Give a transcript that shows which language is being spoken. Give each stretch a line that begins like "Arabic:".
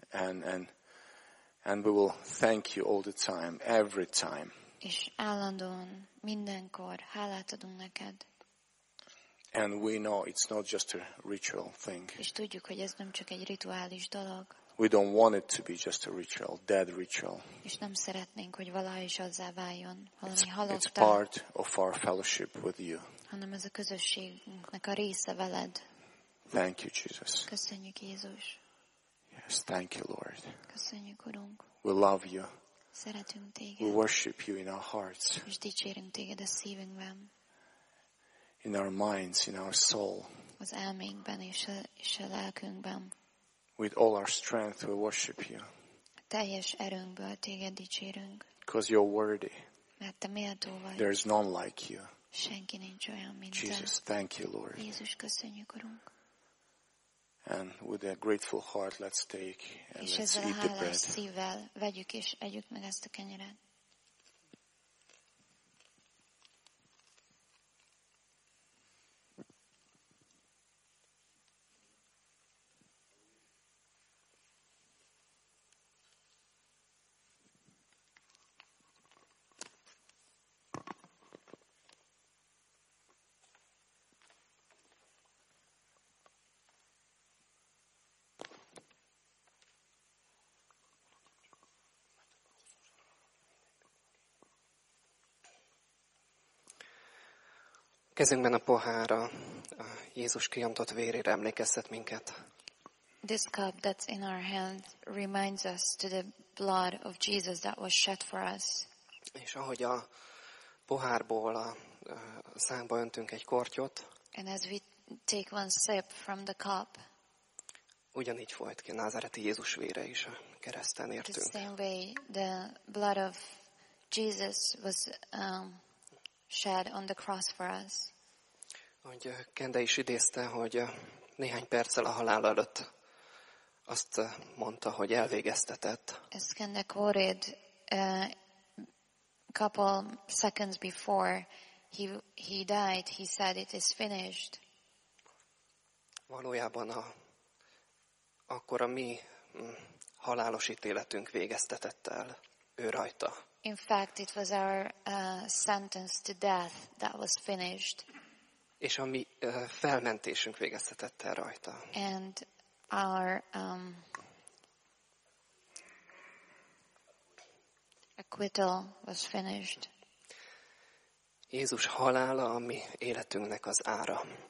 English: And we will thank you all the time, every time.
Hungarian: És állandóan, mindenkor hálát adunk neked.
English: And we know it's not just a ritual thing.
Hungarian: És tudjuk, hogy ez nem csak egy rituális dolog.
English: We don't want it to be just a ritual, dead ritual.
Hungarian: És nem szeretnénk, hogy valaha is azzá váljon, valami halottá.
English: It's part of our fellowship with you.
Hungarian: Hanem ez a közösségünknek a része veled.
English: Thank you, Jesus.
Hungarian: Köszönjük, Jézus.
English: Yes, thank you, Lord.
Hungarian: Köszönjük, Urunk.
English: We love you.
Hungarian: Szeretünk téged.
English: We worship you in our hearts.
Hungarian: És dicsérünk téged a szívünkben.
English: In our minds, in our soul.
Hungarian: Az elménkben és a lelkünkben.
English: With all our strength, we worship you.
Hungarian: Teljes erőnkből téged dicsérünk.
English: Because you're worthy.
Hungarian: Mert te méltó vagy.
English: There is none like you.
Hungarian: Senki nincs olyan, mint
English: Jesus,
Hungarian: te.
English: Jesus, thank you, Lord.
Hungarian: Jézus, köszönjük, Urunk.
English: And with a grateful heart, let's take and
Hungarian: és
English: let's eat the bread.
Hungarian: És ezzel a hálás szívvel vegyük és együk meg ezt a kenyeret. Kezünkben a pohár a Jézus kiontott vérére emlékeztet minket.
English: This cup that's in our hand reminds us to the blood of Jesus that was shed for us.
Hungarian: És ahogy a pohárból a szánkba öntünk egy kortyot,
English: and as we take one sip from the cup,
Hungarian: ugyanígy folyt ki a názáreti Jézus vére is a kereszten értünk.
English: The same way the blood of Jesus was shed on the cross for us.
Hungarian: Ahogy Kende is idézte, hogy néhány perccel a halál előtt azt mondta, hogy elvégeztetett.
English: As Kende quoted a couple seconds before he died, he said it is finished.
Hungarian: Valójában akkor a mi halálos ítéletünk végeztetett el ő rajta.
English: In fact, it was our sentence to death that was finished.
Hungarian: És a mi felmentésünk végeztetett el rajta.
English: And our acquittal was finished.
Hungarian: Jézus halála a mi életünknek az ára.